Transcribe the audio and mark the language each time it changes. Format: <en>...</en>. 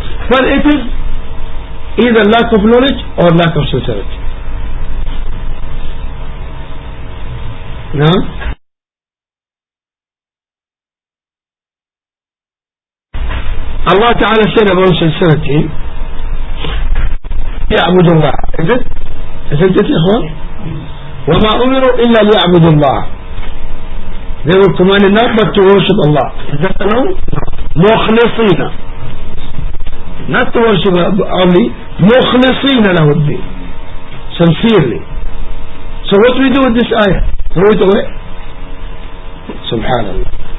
<en>But it is either lack of knowledge or lack of sincerity. No? Allah Ta'ala said about sincerity,</en> <ar>يعبد الله.</ar> <en>Is it</en> <ar>وما أمروا إلا ليعبدوا الله.</ar> <en>They were commanded not but to worship Allah. Is that alone? مخلصين. Not to worship only,</en> <ar>مخلصين له الدين.</ar> <en>Sincerely. So what we do with this ayah? Throw it away. So subhanAllah.</en>